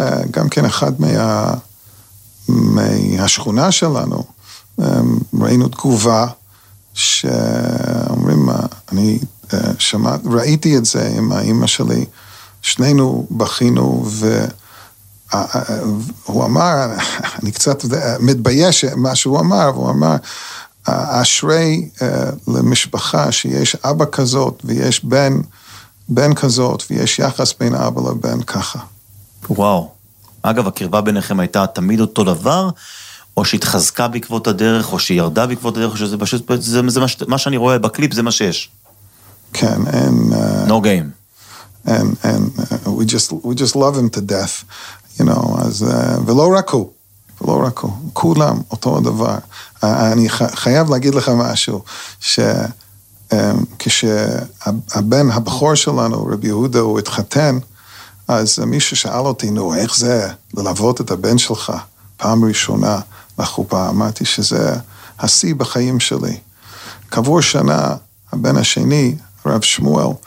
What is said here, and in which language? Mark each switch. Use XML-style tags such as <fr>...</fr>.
<he>גם כן אחד מהשכונה שלנו, ראינו תגובה שאומרים, אני ראיתי את זה עם האמא שלי, שנינו בכינו, והוא אמר, אני קצת מתבייש מה שהוא אמר, והוא אמר, אשרי למשפחה שיש אבא כזאת, ויש בן כזאת, ויש יחס בין אבא לבן ככה. וואו, אגב, הקרבה ביניכם הייתה תמיד אותו דבר, או שהתחזקה בעקבות הדרך, או שירדה בעקבות הדרך, שזה פשוט, זה מה שאני רואה בקליפ, זה מה שיש. כן,</he> <en>and no game. And we just love him to death, you know, as</en> <he>ולא רק הוא, כולם אותו הדבר. אני חייב להגיד לך משהו, כשהבן הבכור שלנו, רבי יהודה, הוא התחתן, אז מי ששאל אותי, נו, איך זה ללוות את הבן שלך פעם ראשונה לחופה, אמרתי שזה השיא בחיים שלי. כעבור שנה, הבן השני, רב שמואל,</he>